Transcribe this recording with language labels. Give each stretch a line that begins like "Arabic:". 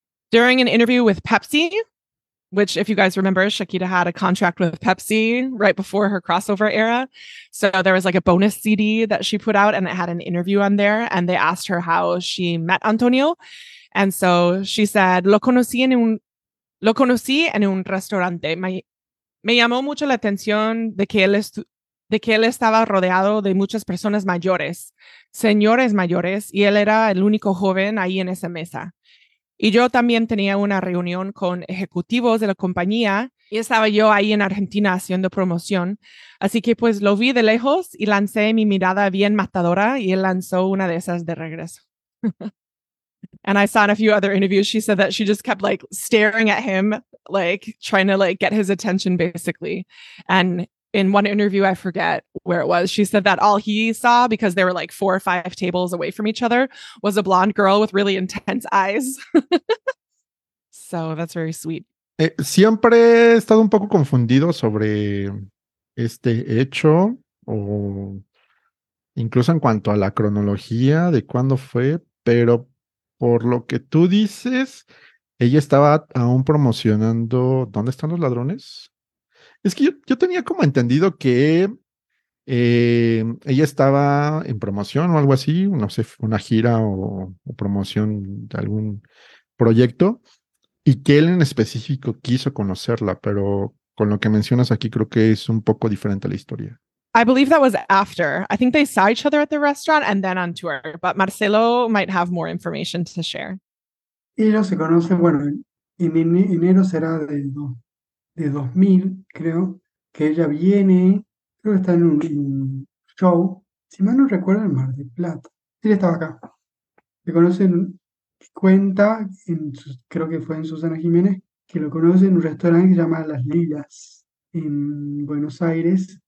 English: During an interview with Pepsi, which if you guys remember, Shakira had a contract with Pepsi right before her crossover era. So there was like a bonus CD that she put out and it had an interview on there. And they asked her how she met Antonio. And so she said,
Spanish: lo conocí en un restaurante. Me llamó mucho la atención de que él estaba rodeado de muchas personas mayores, señores mayores, y él era el único joven ahí en esa mesa. Y yo también tenía una reunión con ejecutivos de la compañía y estaba yo ahí en Argentina haciendo promoción. Así que pues lo vi de lejos y lancé mi mirada bien matadora y él lanzó una de esas de regreso.
English: And I saw in a few other interviews, she said that she just kept like staring at him, like trying to like get his attention basically. And in one interview, I forget where it was, she said that all he saw, because there were like 4 or 5 tables away from each other, was a blonde girl with really intense eyes. So that's very sweet.
Spanish: Siempre he estado un poco confundido sobre este hecho, o incluso en cuanto a la cronología de cuándo fue, pero por lo que tú dices, ella estaba aún promocionando ¿Dónde están los ladrones? Es que yo tenía como entendido que ella estaba en promoción o algo así, no sé, una gira o promoción de algún proyecto, y que él en específico quiso conocerla, pero con lo que mencionas aquí creo que es un poco diferente a la historia.
English: I believe that was after. I think they saw each other at the restaurant and then on tour, but Marcelo might have more information to share.
Spanish: Ellos se conocen, bueno, en enero será de 2000, creo, que ella viene, creo que está en un show, si mal no recuerdo, en Mar del Plata. Él estaba acá. Le conocen, cuenta, en su, creo que fue en Susana Jiménez, que lo conoce en un restaurante que se llama Las Lilas, en Buenos Aires.